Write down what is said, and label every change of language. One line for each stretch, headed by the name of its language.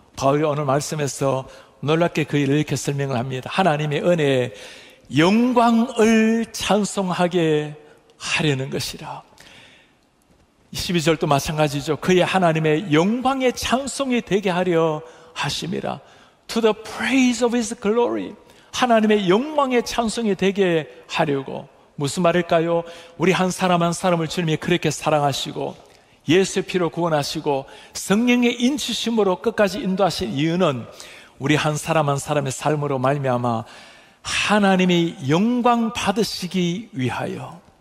Korean: 바울이 오늘 말씀에서 놀랍게 그 일을 이렇게 설명을 합니다. 하나님의 은혜에 영광을 찬송하게 하려는 것이라. 12절도 마찬가지죠. 그의 하나님의 영광의 찬송이 되게 하려 하심이라.
English: To the praise of his glory.
Korean: 하나님의 영광의 찬송이 되게 하려고. 무슨 말일까요? 우리 한 사람 한 사람을 주님이 그렇게 사랑하시고 예수의 피로 구원하시고 성령의 인치심으로 끝까지 인도하신 이유는 우리 한 사람 한 사람의 삶으로 말미암아 하나님이 영광 받으시기 위하여